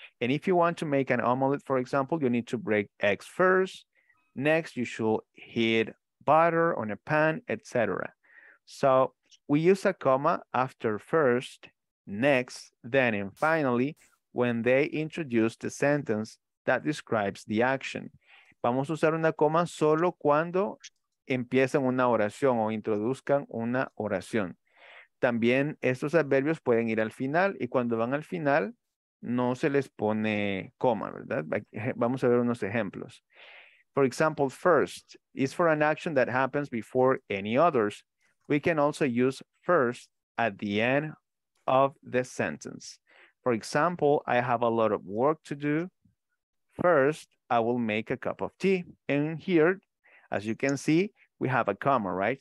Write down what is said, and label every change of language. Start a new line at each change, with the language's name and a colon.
English: And if you want to make an omelet, for example, you need to break eggs first. Next, you should heat butter on a pan, etc. So we use a comma after first, next, then, and finally, when they introduce the sentence that describes the action.
Spanish: Vamos a usar una coma solo cuando empiecen una oración o introduzcan una oración. También estos adverbios pueden ir al final y cuando van al final, no se les pone coma, ¿verdad? Vamos a ver unos ejemplos.
English: For example, first is for an action that happens before any others. We can also use first at the end of the sentence. For example, I have a lot of work to do. First, I will make a cup of tea. And here, as you can see, we have a comma, right?